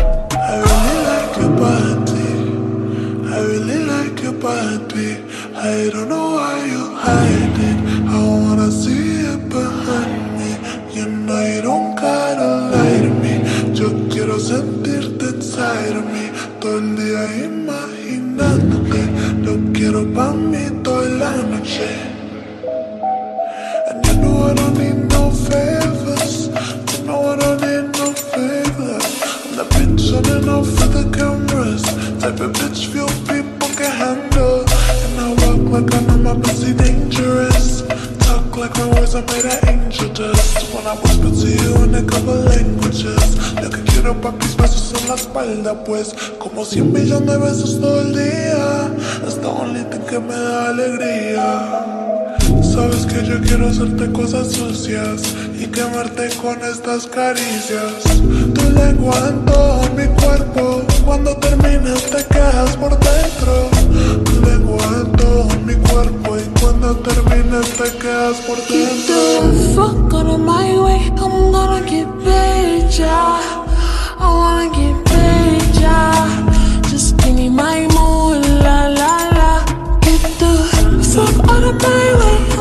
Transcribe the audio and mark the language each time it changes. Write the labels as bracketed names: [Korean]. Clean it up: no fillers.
[English] I really like your party. I really like your party. I don't know why you hide it. I wanna see it behind me. You know you don't gotta lie to me. [Spanish] Yo quiero sentirte [English] inside of me. [Spanish] Todo el día imaginándote. Lo quiero pa' mí toda la noche. [English] And you know I don't need no favors. You know I don't need no favors. I'm that bitch shining off for the cameras. Type of bitch few people can handle. And I walk like I know my pussy dangerous. Talk like my words are made of angel dust. When I whisper to you in a couple languages. [Spanish] Lo que quiero pa' mis besos en la espalda pues. Como 100 millones de besos todo el día. [English] It's the only thing [Spanish] que me da alegría. Sabes que yo quiero hacerte cosas sucias y quemarte con estas caricias. Tu lengua en todo mi cuerpo. Cuando termines te quedas por dentro. Tu lengua en todo mi cuerpo. Y cuando termines te quedas por dentro. [English] Get the fuck out of my way. I'm gonna get paid, yeah. I wanna get paid, yeah. Just give me my moon, la la la. Get the fuck out of my way.